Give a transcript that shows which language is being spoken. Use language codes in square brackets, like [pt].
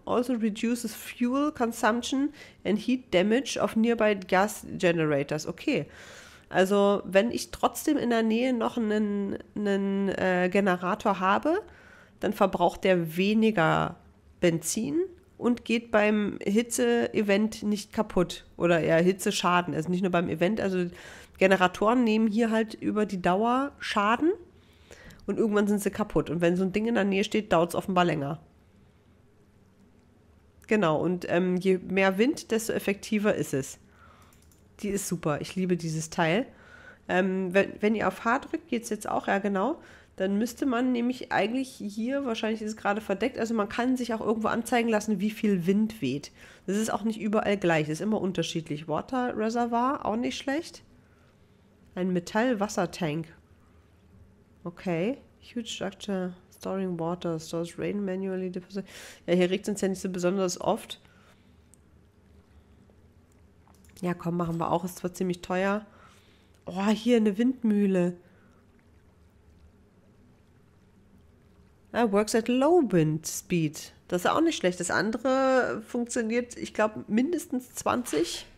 [en] Also reduces fuel consumption and heat damage of nearby gas generators. [de] Okay, also wenn ich trotzdem in der Nähe noch einen Generator habe, dann verbraucht der weniger Benzin und geht beim Hitze-Event nicht kaputt oder eher Hitzeschaden. Also nicht nur beim Event, also Generatoren nehmen hier halt über die Dauer Schaden und irgendwann sind sie kaputt. Und wenn so ein Ding in der Nähe steht, dauert es offenbar länger. Genau, und je mehr Wind, desto effektiver ist es. Die ist super, ich liebe dieses Teil. Wenn ihr auf H drückt, geht es jetzt auch, ja genau. Dann müsste man nämlich eigentlich hier, wahrscheinlich ist es gerade verdeckt, also man kann sich auch irgendwo anzeigen lassen, wie viel Wind weht. Das ist auch nicht überall gleich, das ist immer unterschiedlich. Water Reservoir, auch nicht schlecht. Ein Metallwassertank. Okay. [en] Huge Structure, storing water, stores rain manually. [de] Ja, hier regt es uns ja nicht so besonders oft. Ja, komm, machen wir auch. Ist zwar ziemlich teuer. Oh, hier eine Windmühle. [en] Works at low wind speed. [de] Das ist auch nicht schlecht. Das andere funktioniert, ich glaube, mindestens 20.